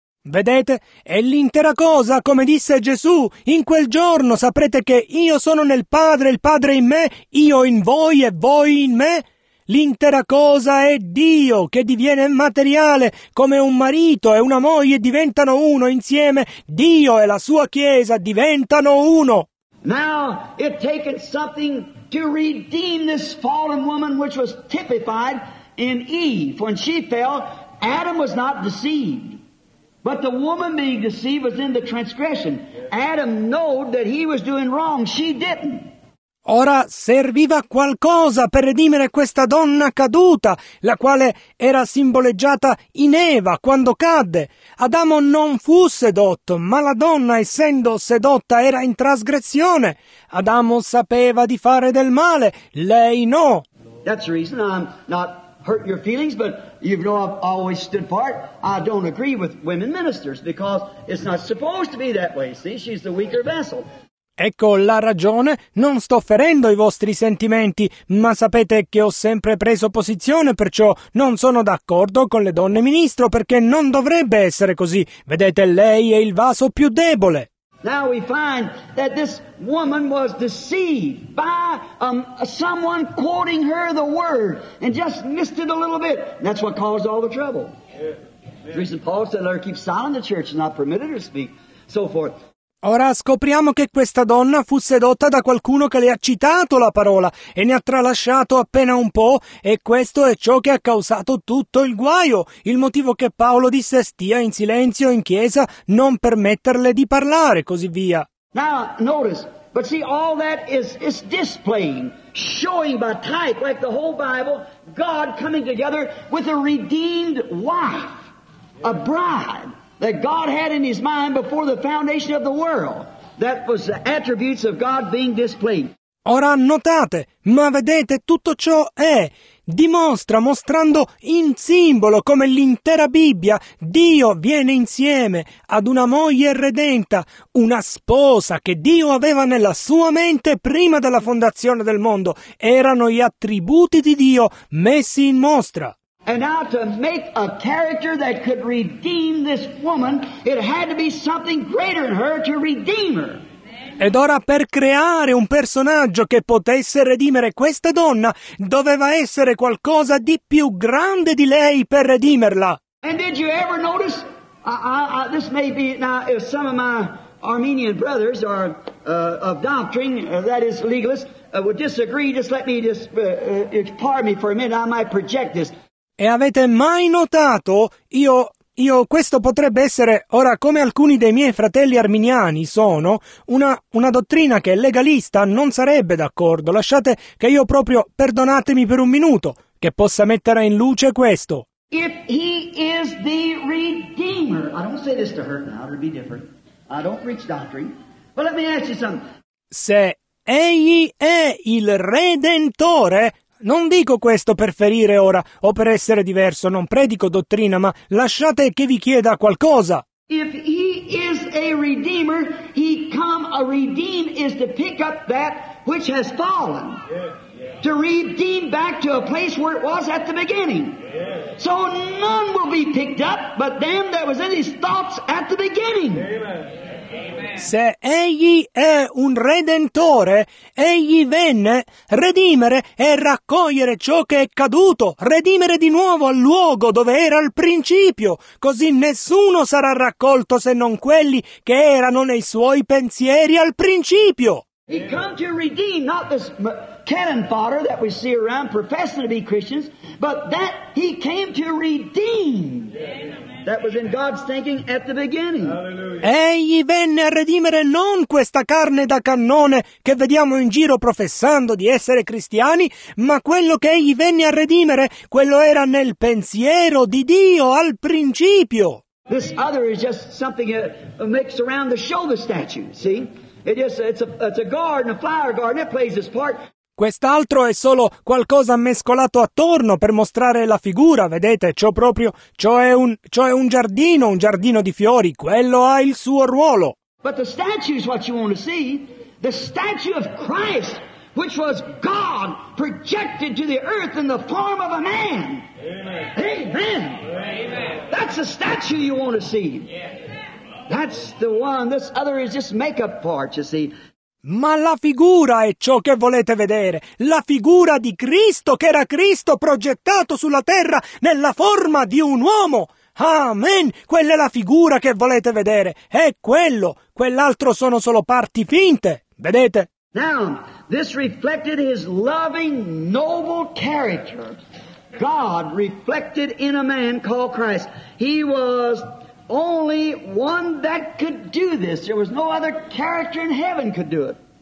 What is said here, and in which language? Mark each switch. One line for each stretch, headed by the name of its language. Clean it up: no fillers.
Italian: Vedete, è l'intera cosa, come disse Gesù, in quel giorno saprete che io sono nel Padre, il Padre in me, io in voi e voi in me. L'intera cosa è Dio che diviene materiale, come un marito e una moglie diventano uno insieme. Dio e la sua chiesa diventano uno.
English: Now it taken something to redeem this fallen woman, which was typified in Eve. When she fell, Adam was not deceived, but the woman being deceived was in the transgression. Adam knowed that he was doing wrong, she didn't.
Italian: Ora serviva qualcosa per redimere questa donna caduta, la quale era simboleggiata in Eva quando cadde. Adamo non fu sedotto, ma la donna, essendo sedotta, era in trasgressione. Adamo sapeva di fare del male, lei no.
English: That's the reason I'm not hurt your feelings, but you know I've always stood apart. I don't agree with women ministers because it's not supposed to be that way. See, she's the weaker vessel.
Italian: Ecco la ragione, non sto ferendo i vostri sentimenti, ma sapete che ho sempre preso posizione, perciò non sono d'accordo con le donne ministro, perché non dovrebbe essere così. Vedete, lei è il vaso più debole.
English: Now we find that this woman was deceived by someone quoting her the word and just missed it a little bit. That's what caused all the trouble. Yeah. Yeah. Recent Paul said, let her keep silent in the church and not permit her to speak, so forth.
Italian: Ora scopriamo che questa donna fu sedotta da qualcuno che le ha citato la parola e ne ha tralasciato appena un po', e questo è ciò che ha causato tutto il guaio, il motivo che Paolo disse stia in silenzio in chiesa, non permetterle di parlare, così via.
English: Now notice, but see, all that is displaying, showing by type, like the whole Bible, God coming together with a redeemed wife, a bride. That God had in his mind before the foundation of the world, that was the attributes of God being displayed.
Italian: Ora notate, ma vedete, tutto ciò è, dimostra, mostrando in simbolo come l'intera Bibbia, Dio viene insieme ad una moglie redenta, una sposa che Dio aveva nella sua mente prima della fondazione del mondo. Erano gli attributi di Dio messi in mostra.
English: And now to make a character that could redeem this woman, it had to be something greater in her to redeem her.
Italian: Ed ora per creare un personaggio che potesse redimere questa donna, doveva essere qualcosa di più grande di lei per redimerla.
English: And did you ever notice, this may be, now if some of my Armenian brothers are of doctrine, that is legalist, would disagree, just let me just, pardon me for a minute, I might project this.
Italian: E avete mai notato, io questo potrebbe essere, ora come alcuni dei miei fratelli arminiani sono, una dottrina che legalista non sarebbe d'accordo. Lasciate che io proprio, perdonatemi per un minuto, che possa mettere in luce questo.
English: If he is the redeemer, I don't say this to hurt now, it'll be different. I don't preach doctrine, but let me ask you something.
Italian: Se egli è il redentore... Non dico questo per ferire ora o per essere diverso, non predico dottrina, ma lasciate che vi chieda qualcosa.
English: If he is a redeemer, he come a redeem is to pick up that which has fallen. Yeah, yeah. To redeem back to a place where it was at the beginning. Yeah. So none will be picked up but them that was in his thoughts at the beginning. Amen.
Italian: Se egli è un redentore, egli venne redimere e raccogliere ciò che è caduto, redimere di nuovo al luogo dove era al principio, così nessuno sarà raccolto se non quelli che erano nei suoi pensieri al principio.
English: He come to redeem not this cannon fodder that we see around professing to be Christians, but that he came to redeem. That was in God's thinking at the beginning.
Italian: Egli venne a redimere non questa carne da cannone che vediamo in giro professando di essere cristiani, ma quello che egli venne a redimere, quello era nel pensiero di Dio al principio.
English: This other is just something that makes around to show the statue, see? It's a garden, a flower garden, it plays its part.
Italian: Quest'altro è solo qualcosa mescolato attorno per mostrare la figura, vedete, ciò è un giardino di fiori, quello ha il suo ruolo.
English: But the statue is what you want to see, the statue of Christ, which was God projected to the earth in the form of a man. Amen. Amen. That's the statue you want to see. That's the one, this other is just makeup part, you see.
Italian: Ma la figura è ciò che volete vedere, la figura di Cristo, che era Cristo progettato sulla terra nella forma di un uomo. Amen! Quella è la figura che volete vedere, è quello, quell'altro sono solo parti finte, vedete?
English: Now, this reflected his loving, noble character. God reflected in a man called Christ. He was... only one that could do this. There was no other character in heaven could do it.